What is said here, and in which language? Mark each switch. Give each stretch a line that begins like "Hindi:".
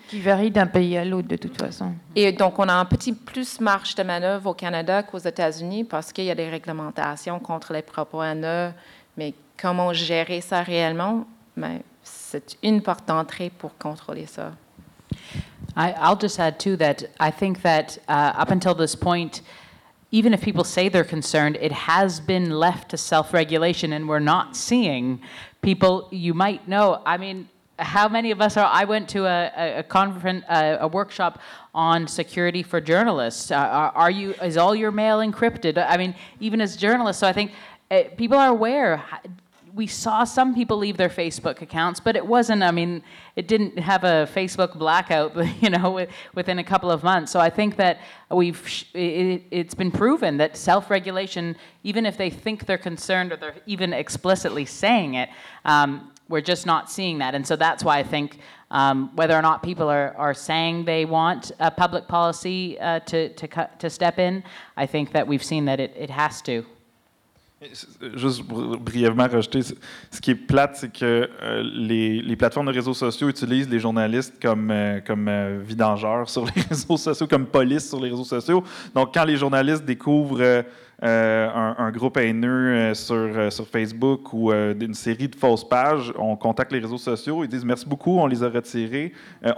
French: Qui varie d'un pays à l'autre, de toute façon. Et donc, on a un petit plus marge de manœuvre au Canada qu'aux États-Unis, parce qu'il y a des réglementations contre les propos haineux, mais comment gérer ça réellement, ben, c'est une porte d'entrée pour contrôler ça.
English: I'll just add, too, that I think that up until this point, even if people say they're concerned, it has been left to self-regulation, and we're not seeing people. You might know, I mean, how many of us are, I went to a conference, a workshop on security for journalists. Is all your mail encrypted? I mean, even as journalists, so I think people are aware. We saw some people leave their Facebook accounts, but it wasn't, I mean, it didn't have a Facebook blackout, you know, within a couple of months. So I think that it's been proven that self-regulation, even if they think they're concerned or they're even explicitly saying it, we're just not seeing that. And so that's why I think whether or not people are saying they want a public policy to step in, I think that we've seen that it has to.
French: Juste brièvement rajouter, ce qui est plate, c'est que les plateformes de réseaux sociaux utilisent les journalistes comme vidangeurs sur les réseaux sociaux, comme police sur les réseaux sociaux. Donc, quand les journalistes découvrent un groupe haineux sur Facebook ou une série de fausses pages, on contacte les réseaux sociaux, ils disent « merci beaucoup, on les a retirés ».